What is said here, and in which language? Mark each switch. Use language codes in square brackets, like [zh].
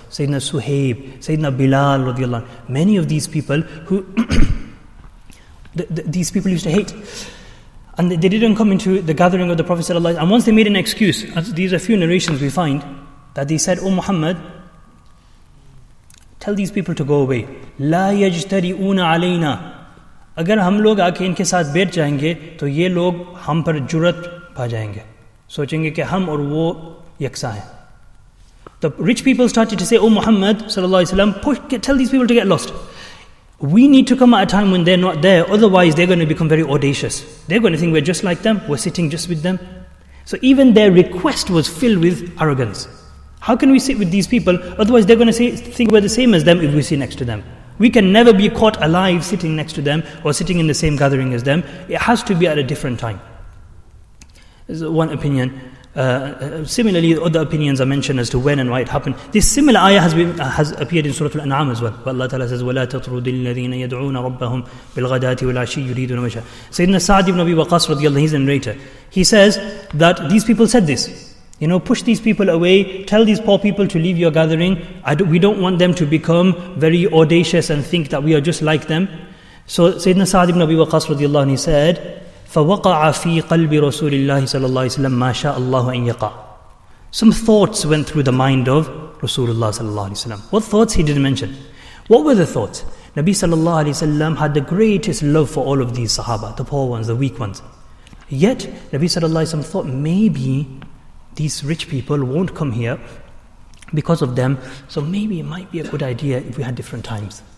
[en] Sayyidina Suhaib, Sayyidina Bilal radiyallahu anhu. Many of these people who these people used to hate. And they didn't come into the gathering of the Prophet sallallahu alaihi wasallam. And once they made an excuse, as these are a few narrations we find, that they said, O Muhammad, Tell these people to go away. [ar] لا يجترئون علينا. [ur] اگر ہم لوگ آکے ان کے ساتھ بیٹھ جائیں گے تو یہ لوگ ہم پر جرت پا جائیں گے, سوچیں گے کہ ہم اور وہ یکساں ہیں. [en] The rich people started to say, oh Muhammad sallallahu alaihi wasallam, push, tell these people to get lost. We need to come at a time when they're not there, otherwise they're going to become very audacious. They're going to think we're just like them, we're sitting just with them. So even their request was filled with arrogance. How can we sit with these people? Otherwise they're going to say, think we're the same as them if we sit next to them. We can never be caught alive sitting next to them or sitting in the same gathering as them. It has to be at a different time. This is one opinion. Similarly, other opinions are mentioned as to when and why it happened. This similar ayah has appeared in Surah Al-An'am as well. But Allah Ta'ala says, [ar] وَلَا تَطْرُدِ الَّذِينَ يَدْعُونَ رَبَّهُمْ بِالْغَدَاتِ وَالْعَشِيِّ يُرِيدُونَ وَجْهَهُ. [en] Sayyidina Sa'd ibn Abi Waqqas radiallahu, he's the narrator. He says that these people said this. You know, push these people away, tell these poor people to leave your gathering. We don't want them to become very audacious and think that we are just like them. So Sayyidina Sa'd ibn Abi Waqqas radiallahu, he said, [ar] فَوَقَعَ فِي قَلْبِ رَسُولِ اللَّهِ صَلَى اللَّهِ وَسَلَمْ مَا شَاءَ اللَّهُ أَنْ يَقَعَ. [en] Some thoughts went through the mind of Rasulullah صلى الله عليه وسلم. What thoughts? He didn't mention. What were the thoughts? Nabi صلى الله عليه وسلم had the greatest love for all of these sahaba, the poor ones, the weak ones. Yet, Nabi صلى الله عليه وسلم thought, maybe these rich people won't come here because of them, so maybe it might be a good idea if we had different times.